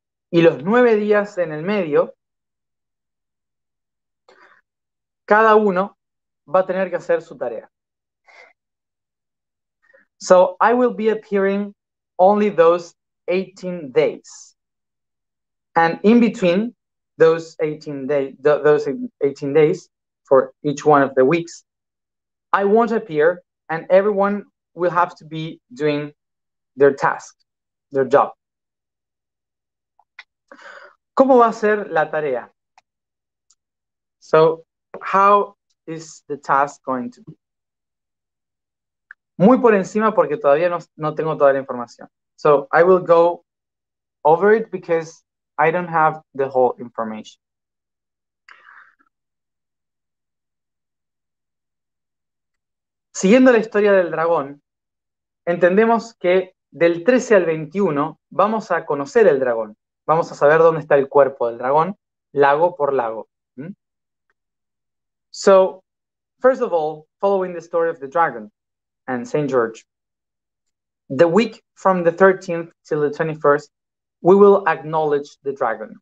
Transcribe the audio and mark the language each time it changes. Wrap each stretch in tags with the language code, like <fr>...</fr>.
<es>Y los 9 días en el medio, cada uno va a tener que hacer su tarea.</es> <en>So I will be appearing only those 18 days. And in between those 18 days for each one of the weeks, I won't appear and everyone will have to be doing their task, their job.</en> <es>¿Cómo va a ser la tarea?</es> <en>So, how is the task going to be?</en> <es>Muy por encima porque todavía no tengo toda la información.</es> <en>So, I will go over it because I don't have the whole information.</en> <es>Siguiendo la historia del dragón, entendemos que del 13 al 21 vamos a conocer el dragón. Vamos a saber dónde está el cuerpo del dragón, lago por lago.</es> <en>So, first of all, following the story of the dragon and Saint George, the week from the 13th till the 21st, we will acknowledge the dragon.</en>